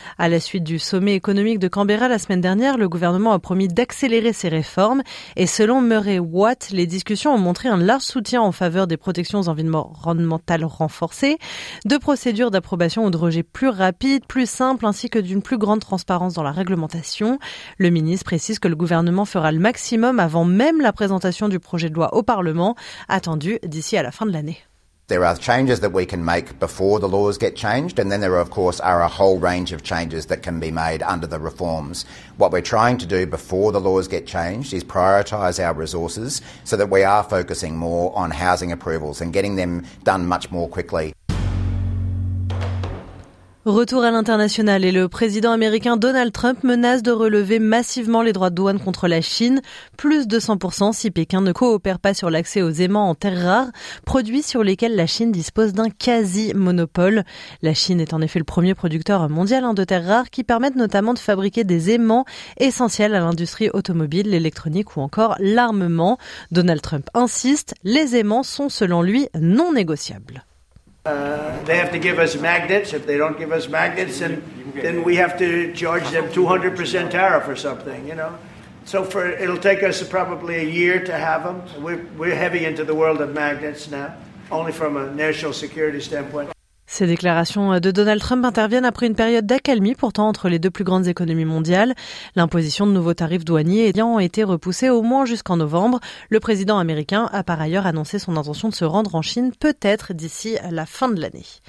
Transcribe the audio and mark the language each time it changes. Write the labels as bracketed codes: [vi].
[fr] À la suite du sommet économique de Canberra la semaine dernière, le gouvernement a promis d'accélérer ces réformes et selon Murray Watt, les discussions ont montré un large soutien en faveur des protections environnementales renforcées, de procédures d'approbation ou de rejet plus rapides, plus simples, ainsi que d'une plus grande transparence dans la réglementation. Le ministre précise que le gouvernement fera le maximum avant même la présentation du projet de loi au Parlement, attendu d'ici à la fin de l'année. [en] There are changes that we can make before the laws get changed, and then there, of course, are a whole range of changes that can be made under the reforms. What we're trying to do before the laws get changed is prioritise our resources so that we are focusing more on housing approvals and getting them done much more quickly. [fr] Retour à l'international et le président américain Donald Trump menace de relever massivement les droits de douane contre la Chine, plus de 100% si Pékin ne coopère pas sur l'accès aux aimants en terres rares, produits sur lesquels la Chine dispose d'un quasi-monopole. La Chine est en effet le premier producteur mondial de terres rares qui permettent notamment de fabriquer des aimants essentiels à l'industrie automobile, l'électronique ou encore l'armement. Donald Trump insiste, les aimants sont selon lui non négociables. [en] They have to give us magnets. If they don't give us magnets, then we have to charge them 200% tariff or something, you know. So for it'll take us probably a year to have them. We're heavy into the world of magnets now, only from a national security standpoint. [fr] Ces déclarations de Donald Trump interviennent après une période d'accalmie pourtant entre les deux plus grandes économies mondiales. L'imposition de nouveaux tarifs douaniers ayant été repoussée au moins jusqu'en novembre, le président américain a par ailleurs annoncé son intention de se rendre en Chine peut-être d'ici la fin de l'année.